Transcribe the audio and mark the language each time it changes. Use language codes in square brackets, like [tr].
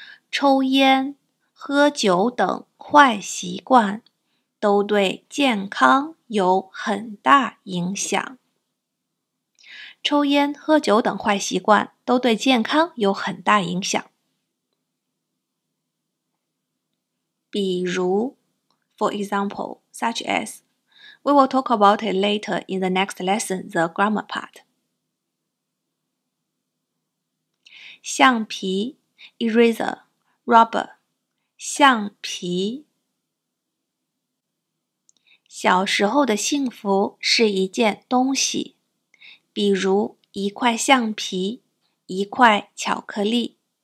[zh] 抽烟、喝酒等坏习惯都对健康有很大影响。抽烟、喝酒等坏习惯都对健康有很大影响。比如 [en] ,for example, such as, we will talk about it later in the next lesson, the grammar part. [zh] 橡皮 , [en] eraser, rubber, [zh] 橡皮。小时候的幸福是一件东西，比如一块橡皮，一块巧克力。